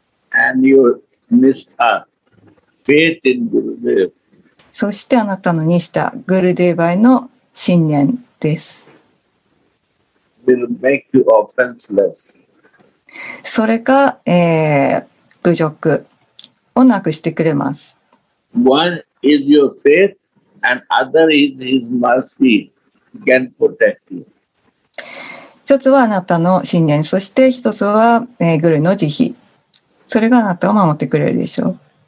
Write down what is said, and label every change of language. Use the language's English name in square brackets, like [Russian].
[English] And you missed her faith in Gurudev. [Japanese] そしてあなたのにしたグルデーバへの信念です。 [English] Will make you offenseless. [Japanese] それが、侮辱をなくしてくれます。 [English] One is your faith and other is his mercy can protect you. [Japanese] 一つはあなたの信念、そして一つは、グルの慈悲。それがあなたを守ってくれるでしょう。